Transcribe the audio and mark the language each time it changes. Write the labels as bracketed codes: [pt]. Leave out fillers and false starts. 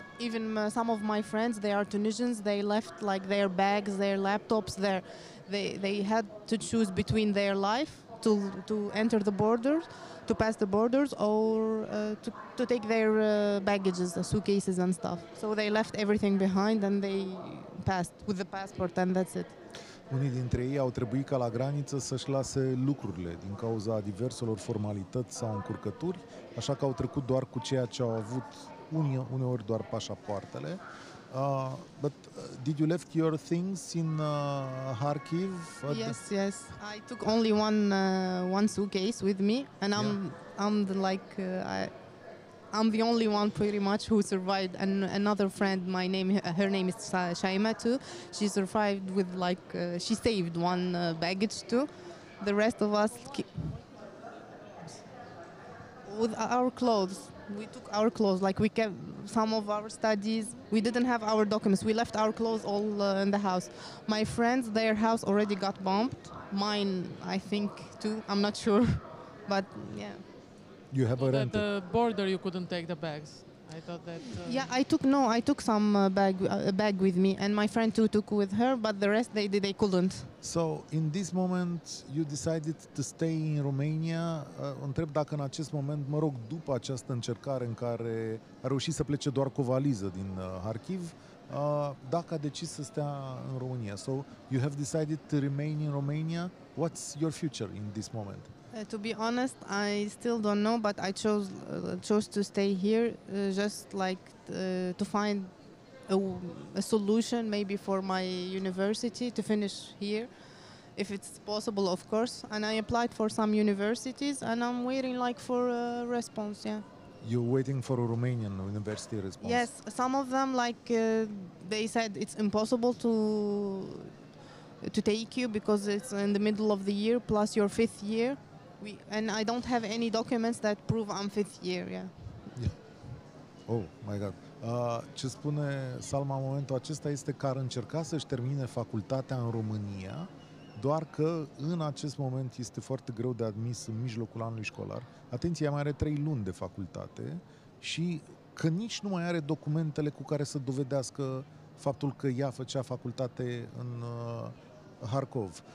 [en] Even some of my friends, they are Tunisians, they left like their bags, their laptops there. They had to choose between their life to enter the borders, to pass the borders, or to take their baggages, the suitcases and stuff. So they left everything behind and they passed with the passport and that's it. [ro] Unii dintre ei au trebuit ca la graniță să-și lase lucrurile din cauza diverselor formalități sau încurcături, așa că au trecut doar cu ceea ce au avut, uneori doar pașapoartele. [en] But did you left your things in Kharkiv? Yes. I took only one suitcase with me, and I'm the only one pretty much who survived. And another friend, her name is Shaima too. She survived with she saved one baggage too. The rest of us with our clothes. We took our clothes, like we kept some of our studies. We didn't have our documents. We left our clothes all in the house. My friends, their house already got bombed. Mine, I think, too. I'm not sure. But, yeah. You have a rental. At the border, you couldn't take the bags. I thought that... I took some bag with me. And my friend, too, took with her. But the rest, they couldn't. So, in this moment, you decided to stay in Romania. [ro] Întreb dacă în acest moment, mă rog, după această încercare în care a reușit să plece doar cu o valiză din Kharkiv, dacă a decis să stea în România. [en] So, you have decided to remain in Romania. What's your future in this moment? To be honest, I still don't know, but I chose to stay here to find a solution maybe for my university to finish here, if it's possible, of course. And I applied for some universities and I'm waiting for a response, yeah. You're waiting for a Romanian university response? Yes, some of them, they said it's impossible to take you because it's in the middle of the year plus your fifth year. And I don't have any documents that prove I'm fifth year, yeah. Yeah. Oh, my God. [ro] Ce spune Salma în momentul acesta este că ar încerca să-și termine facultatea în România, doar că în acest moment este foarte greu de admis în mijlocul anului școlar. Atenție, ea mai are 3 luni de facultate și că nici nu mai are documentele cu care să dovedească faptul că ea făcea facultate în Kharkov.